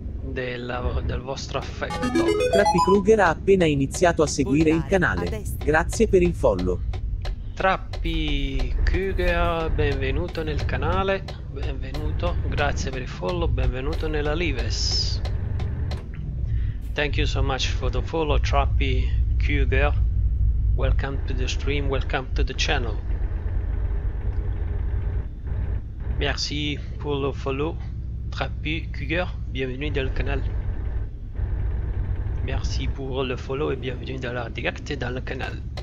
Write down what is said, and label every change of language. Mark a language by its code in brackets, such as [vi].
[it] del vostro affetto. Trappi Kruger ha appena iniziato a seguire il Voltare a canale. destra. Grazie per il follow. Trappi Kruger, benvenuto nel canale, benvenuto, grazie per il follow, benvenuto nella Lives. [en] Thank you so much for the follow, Trappi Kruger. Welcome to the stream, welcome to the channel. [fr] Merci pour le follow, Trappi Kruger, bienvenue dans le canal. Merci pour le follow et bienvenue dans la direct dans le canal.